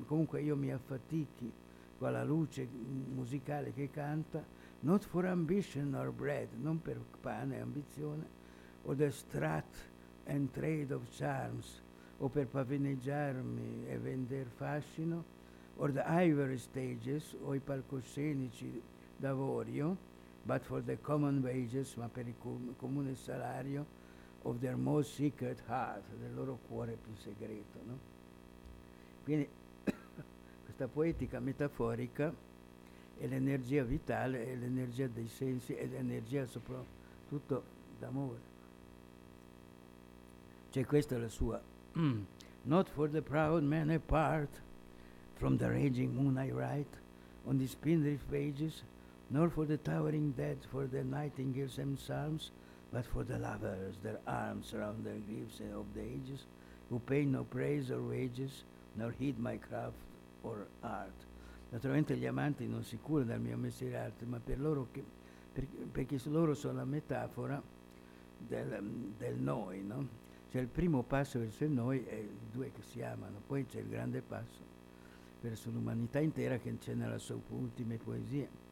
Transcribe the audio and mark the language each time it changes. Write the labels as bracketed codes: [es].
[it] Comunque io mi affatichi con la luce musicale che canta, [en] not for ambition or bread, [it] non per pane e ambizione, o [en] the strut and trade of charms, [it] o per pavineggiarmi e vender fascino, [en] or the ivory stages, [it] o i palcoscenici d'avorio, [en] but for the common wages, [it] ma per il comune salario, [en] of their most secret heart, [it] del loro cuore più segreto, no? Quindi questa poetica metaforica è l'energia vitale, è l'energia dei sensi, è l'energia soprattutto d'amore. Cioè questa è la sua. [en] Not for the proud man apart from the raging moon I write on the spindrift pages, nor for the towering dead, for the nightingales and psalms, but for the lovers, their arms around their griefs of the ages, who pay no praise or wages, nor heed my craft or art. [it] Naturalmente gli amanti non si curano del mio mestiere d'arte, ma per loro, che, perché loro sono la metafora del noi, no? Cioè il primo passo verso il noi è i due che si amano, poi c'è il grande passo verso l'umanità intera che c'è nella sua ultima poesia.